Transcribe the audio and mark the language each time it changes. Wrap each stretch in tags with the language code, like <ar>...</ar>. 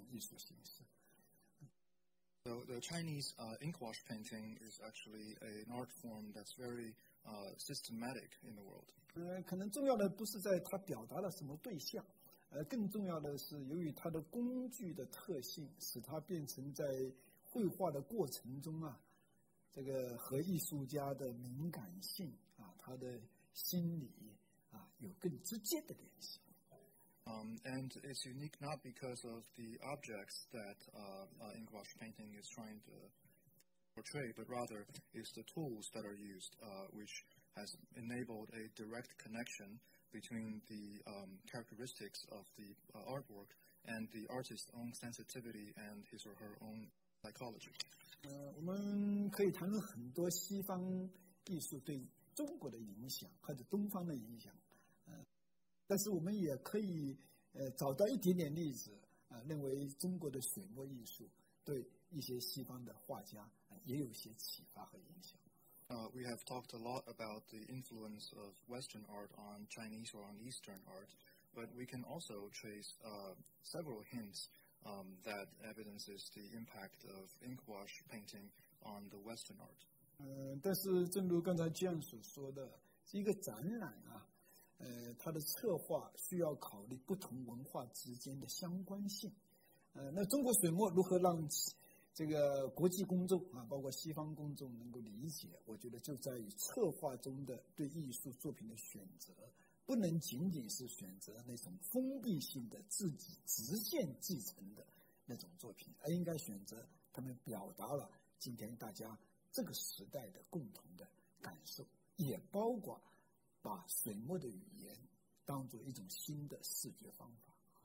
<zh>这个中国水墨啊，的确是世界上非常具有体系性特色的啊一种艺术形式。So</zh> <en>the Chinese ink wash painting is actually an art form that's very systematic in the world.</en> <zh>可能重要的不是在它表达了什么对象。更重要的是，由于它的工具的特性，使它变成在绘画的过程中啊，这个和艺术家的敏感性啊，他的心理啊，有更直接的联系。And</zh> <en>it's unique not because of the objects that ink wash painting is trying to portray, but rather it's the tools that are used, which has enabled a direct connection. Between the characteristics of the artwork and the artist's own sensitivity and his or her own psychology.</en> <zh>中国的影响或者东方的影响，但是我们也可以找到一点点例子，认为中国的水墨艺术对一些西方的画家也有些启发和影响。</zh> <en>We have talked a lot about the influence of Western art on Chinese or on Eastern art, but we can also trace several hints that evidences the impact of ink wash painting on the Western art.</en> <zh>但是正如刚才姜所说的，一个展览啊，它的策划需要考虑不同文化之间的相关性。那中国水墨如何让这个国际公众啊，包括西方公众能够理解，我觉得就在于策划中的对艺术作品的选择，不能仅仅是选择那种封闭性的自己直线继承的那种作品，而应该选择他们表达了今天大家这个时代的共同的感受，也包括把水墨的语言当作一种新的视觉方法。</zh>